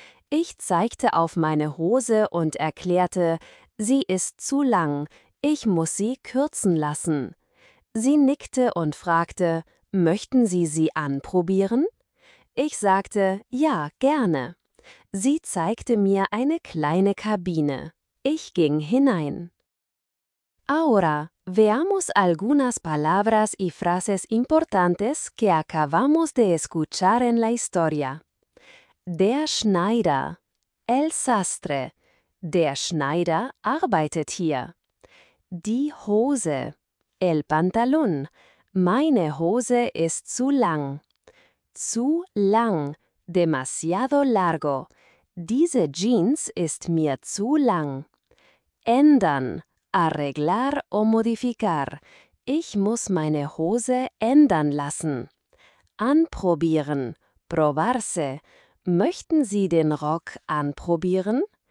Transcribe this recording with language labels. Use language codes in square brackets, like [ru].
[de] Ich zeigte auf meine Hose und erklärte: Sie ist zu lang, ich muss sie kürzen lassen. Sie nickte und fragte: Möchten Sie sie anprobieren? Ich sagte: Ja, gerne. Sie zeigte mir eine kleine Kabine. Ich ging hinein. [es] Ahora, veamos algunas palabras y frases importantes que acabamos de escuchar en la historia. [de] Der Schneider, [es] el sastre. [de] Der Schneider arbeitet hier. Die Hose, [es] el pantalón. [de] Meine Hose ist zu lang. Zu lang, [es] demasiado largo. [de] Diese Jeans ist mir zu lang. Ändern. [es] Arreglar o modificar. [de] Ich muss meine Hose ändern lassen. Anprobieren. Probarse. Möchten Sie den Rock anprobieren?